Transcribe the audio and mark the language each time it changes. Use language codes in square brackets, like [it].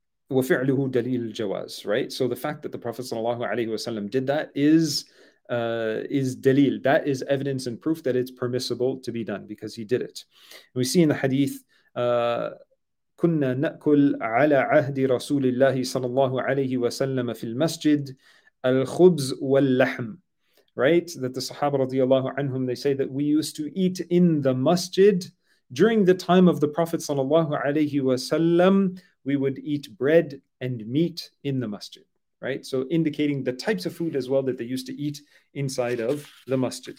[ar] وفعله دليل الجواز, right? [en] So the fact that the Prophet sallallahu alayhi wa sallam did that is dalil. That is evidence and proof that it's permissible to be done because he did it. And we see in the hadith, [ar] كنا نأكل على عهد رسول الله صلى الله عليه وسلم في المسجد الخبز واللحم, right? [en] That the Sahaba radiallahu anhum, they say that we used to eat in the masjid during the time of the Prophet sallallahu alayhi wasallam. We would eat bread and meat in the masjid, right? So indicating the types of food as well that they used to eat inside of the masjid.